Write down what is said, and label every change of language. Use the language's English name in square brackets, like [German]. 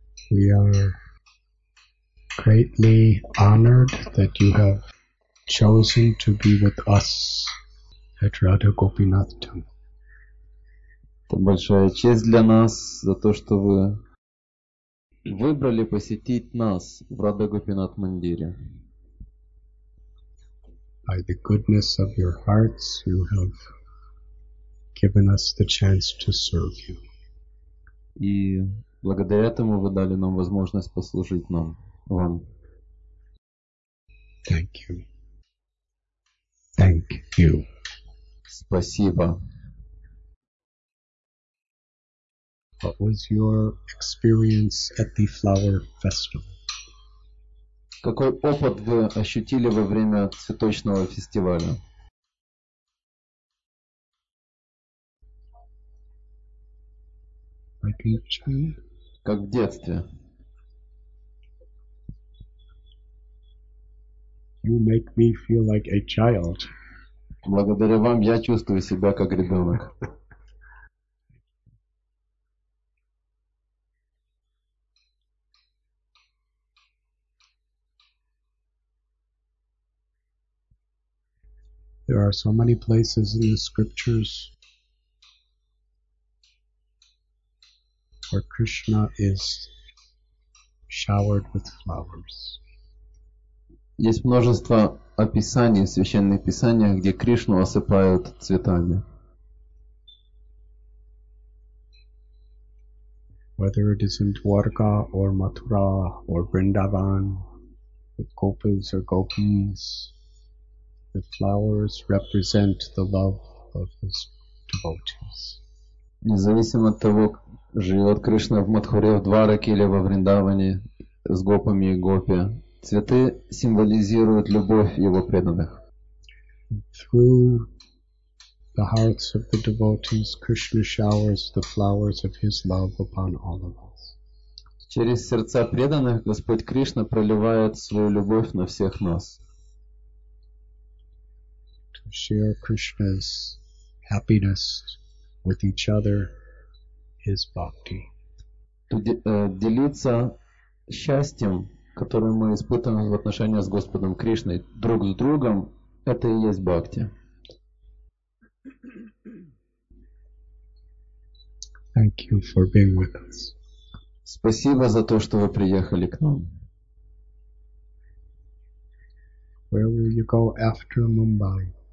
[English] We are greatly honored that you have chosen to be with us at Radha Gopinath Temple. [Russian] Это большая честь для нас за то, что вы выбрали посетить нас в Радха Гопинат Мандире. [English] By the goodness of your hearts, you have given us the chance to serve you. [Russian] И благодаря этому вы дали нам возможность послужить нам, вам. [English] Thank you. Thank you. [Russian] Спасибо. [English] What was your experience at the flower festival? [Russian] Какой опыт вы ощутили во время цветочного фестиваля? [English] Like a child? [Russian] Как в детстве. [English] You make me feel like a child. [Russian] Благодаря вам я чувствую себя как ребенок. [English] There are so many places in the scriptures where Krishna is showered with flowers. [Russian] Есть множество описаний в священных писаниях, где Кришну осыпают цветами. [English] Whether it is in Dwarka or Mathura or Vrindavan, with gopis or gopis, the flowers represent the love of his devotees. [Russian] Независимо от того, живет Кришна в Матхуре, в Двараке или во Вриндаване с гопами и гопи, цветы символизируют любовь его преданных. [English] Through the hearts of the devotees, Krishna showers the flowers of his love upon all of us. [Russian] Через сердца преданных Господь Кришна проливает свою любовь на всех нас. [English] Share Krishna's happiness with each other is bhakti. [Russian] Делиться счастьем, которое мы испытываем в отношениях с Господом Кришной, друг с другом, это и есть бхакти. [English] Thank you for being with us. [Russian] Спасибо за то, что вы приехали к нам. [English] Where will you go after Mumbai?